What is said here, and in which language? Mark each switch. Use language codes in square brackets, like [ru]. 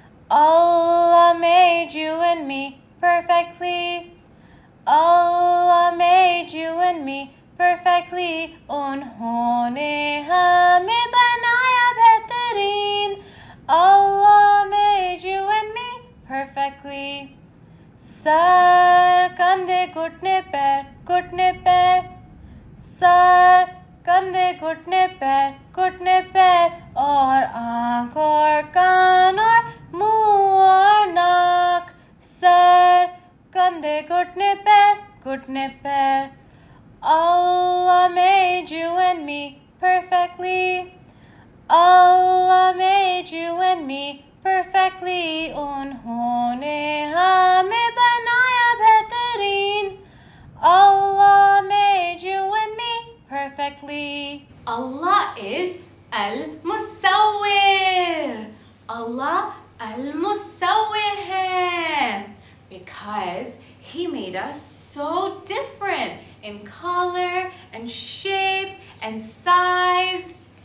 [en] Allah made you and me perfectly. Allah made you and me perfectly. [hi] Unhone hame banaya behtareen. [en] Allah made you and me perfectly. [hi] Sar kandhe ghutne pair, sar कंधे घुटने पैर और आँख और कान और मुंह और नाक. सर कंधे घुटने पैर. [en] Allah made you and me perfectly. Allah made you and me perfectly. [hi] उन्होंने हमें बनाया बेहतरीन. [en] Allah made you and me perfectly. Allah is Al-Musawwir. [hi] Allah Al-Musawwir hai. [en] Because He made us so different in color and shape and size.